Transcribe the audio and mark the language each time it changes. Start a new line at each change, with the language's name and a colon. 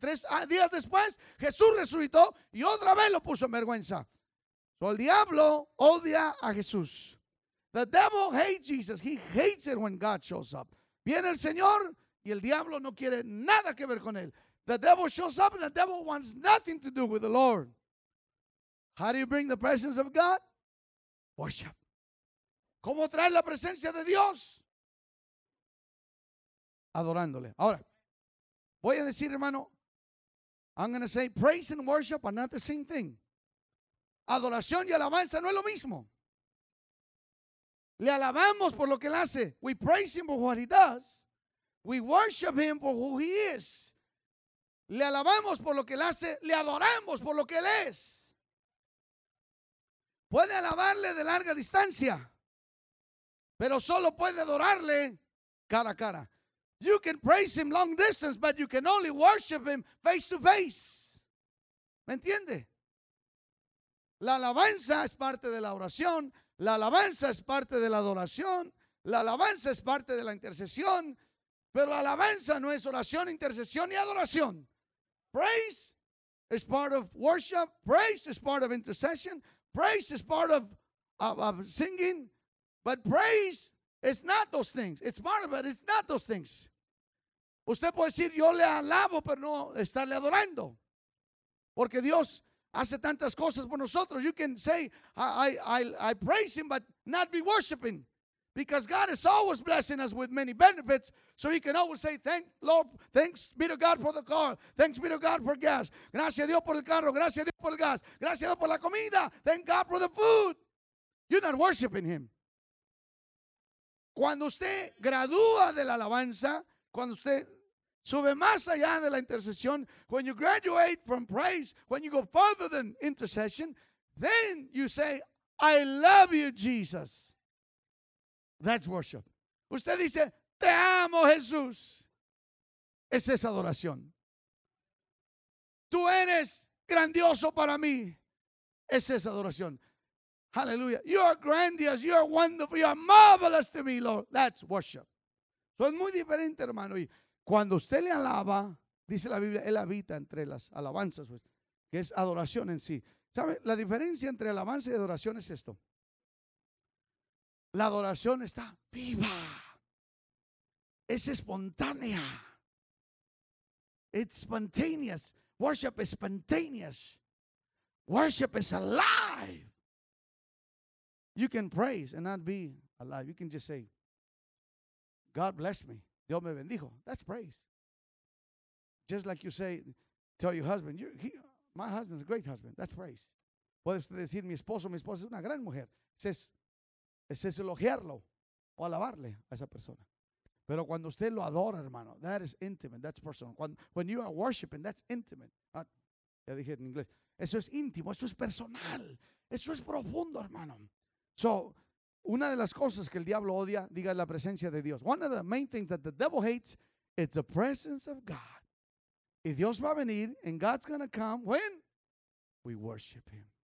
Spanish: 3 días después, Jesús resucitó y otra vez lo puso en vergüenza. So el diablo odia a Jesús.
English: The devil hates Jesus. He hates it when God shows up.
Spanish: Viene el Señor y el diablo no quiere nada que ver con él.
English: The devil shows up and the devil wants nothing to do with the Lord. How do you bring the presence of God? Worship.
Spanish: ¿Cómo traer la presencia de Dios? Adorándole. Ahora, voy a decir, hermano,
English: I'm going to say praise and worship are not the same thing.
Spanish: Adoración y alabanza no es lo mismo. Le alabamos por lo que él hace.
English: We praise him for what he does. We worship him for who he is.
Spanish: Le alabamos por lo que Él hace, le adoramos por lo que Él es. Puede alabarle de larga distancia, pero solo puede adorarle cara a cara.
English: You can praise Him long distance, but you can only worship Him face to face.
Spanish: ¿Me entiende? La alabanza es parte de la oración. La alabanza es parte de la adoración. La alabanza es parte de la intercesión. Pero la alabanza no es oración, intercesión y adoración.
English: Praise is part of worship. Praise is part of intercession. Praise is part of singing. But praise is not those things. It's part of it. It's not those things.
Spanish: Usted puede decir, yo le alabo, pero no estarle adorando. Porque Dios hace tantas cosas por nosotros.
English: You can say, I praise Him, but not be worshiping. Because God is always blessing us with many benefits. So you can always say, thank Lord, thanks be to God for the car. Thanks be to God for gas.
Spanish: Gracias a Dios por el carro. Gracias a Dios por el gas. Gracias a Dios por la comida.
English: Thank God for the food. You're not worshiping Him.
Spanish: Cuando usted gradúa de la alabanza, cuando usted sube más allá de la intercesión,
English: when you graduate from praise, when you go further than intercession, then you say, I love you, Jesus. That's worship.
Spanish: Usted dice, te amo, Jesús. Es esa adoración. Tú eres grandioso para mí. Es esa adoración. Hallelujah.
English: You are grandious, you are wonderful, you are marvelous to me, Lord. That's worship.
Spanish: So es muy diferente, hermano. Y cuando usted le alaba, dice la Biblia, él habita entre las alabanzas, pues, que es adoración en sí. ¿Sabe? La diferencia entre alabanza y adoración es esto. La adoración está viva. Es espontánea.
English: It's spontaneous. Worship is spontaneous. Worship is alive. You can praise and not be alive. You can just say, God bless me.
Spanish: Dios me bendijo.
English: That's praise. Just like you say, tell your husband, my husband's a great husband. That's praise.
Spanish: Puede usted decir, mi esposa es una gran mujer. Es elogiarlo o alabarle a esa persona. Pero cuando usted lo adora, hermano,
English: that is intimate. That's personal. When you are worshiping, that's intimate.
Spanish: Ya dije en inglés. Eso es íntimo. Eso es personal. Eso es profundo, hermano. So, una de las cosas que el diablo odia, diga, es la presencia de Dios.
English: One of the main things that the devil hates, it's the presence of God.
Spanish: Y Dios va a venir,
English: and God's going to come when we worship Him.